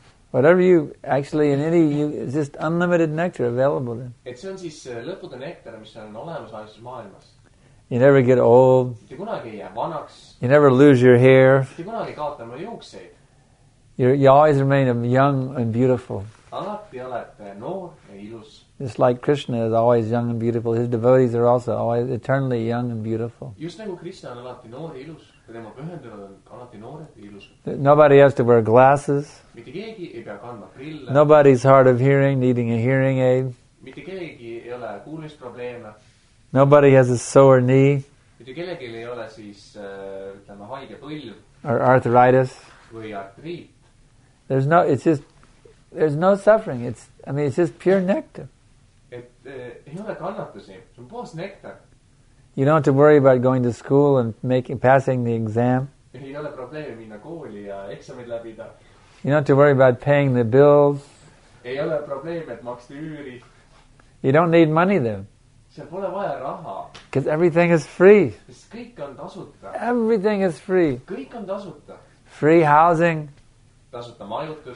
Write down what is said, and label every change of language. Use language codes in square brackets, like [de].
[en] Whatever you actually in any, you just unlimited nectar available then. [et] Et see on siis lõputu nektar, mis on olemas ainult maailmas. [en] You never get old. [et] Te kunagi ei jää vanaks. [en] You never lose your hair. [et] Te kunagi kaotama juukseid. [en] You always remain young and beautiful. [et] Alati olete noor ja ilus. [en] Just like Krishna is always young and beautiful, his devotees are also always eternally young and beautiful. [et] Just nagu Krishna on alati noor ja ilus. [en] Nobody has to wear glasses. [et] Mitte keegi ei pea kandma prille. [en] Nobody's hard of hearing, needing a hearing aid. [et] Mitte keegi ei ole kuulmisprobleeme. [en] Nobody has a sore knee. [et] Mitte kellelgi ei ole siis ütleme haige põlv. [en] Or arthritis. [et] Või artriit. [en] There's no suffering. It's just pure nectar. [et] Ei ole kannatusi. See on puhas nektar. [en] You don't have to worry about going to school and passing the exam. [et] Ei ole probleemi minna kooli ja eksamid läbida. [en] You don't have to worry about paying the bills. [et] Ei ole probleemi, et maksti üüri. [en] You don't need money then. [et] See pole vaja raha. [en] Because everything is free. [et] Kõik on tasuta. [en] Everything is free. [et] Kõik on tasuta. [en] Free housing. [et] Tasuta majutus.